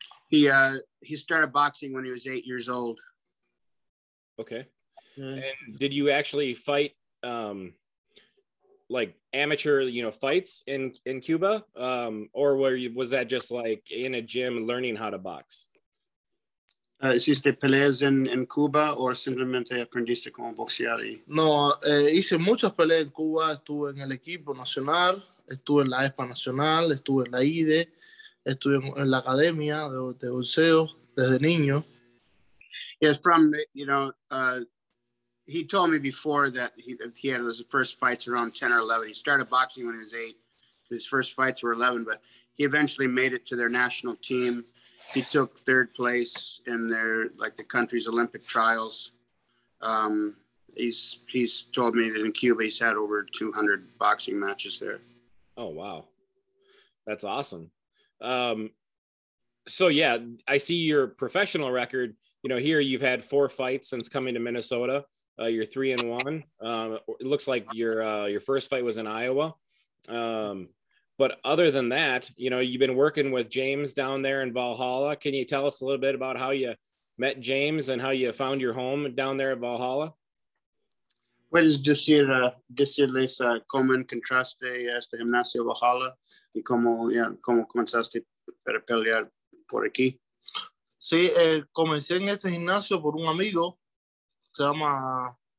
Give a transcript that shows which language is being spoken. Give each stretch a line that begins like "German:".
English: He started boxing when he was 8 years old. Okay. Yeah. And did you actually fight like amateur, fights in Cuba? Or was that just like in a gym learning how to box?
Spanish: ¿Hiciste peleas en Cuba o simplemente aprendiste como boxear? No, hice muchas peleas en Cuba. Estuve en el equipo nacional, estuve en la ESPA nacional, estuve en la IDE, estuve en la academia de boxeo desde niño.
English: Yes, from, he told me before that he had his first fights around 10 or 11. He started boxing when he was 8. His first fights were 11, but he eventually made it to their national team. He took third place in the country's Olympic trials. He's told me that in Cuba he's had over 200 boxing matches there. Oh, wow. That's awesome. I see your professional record. Here you've had 4 fights since coming to Minnesota. You're 3-1. It looks like your first fight was in Iowa. But other than that, you've been working with James down there in Valhalla. Can you tell us a little bit about how you met James and how you found your home down there at Valhalla?
Spanish: Puedes decirles cómo encontraste este gimnasio Valhalla y cómo comenzaste para pelear por aquí. Sí, comencé en este gimnasio por un amigo. Se llama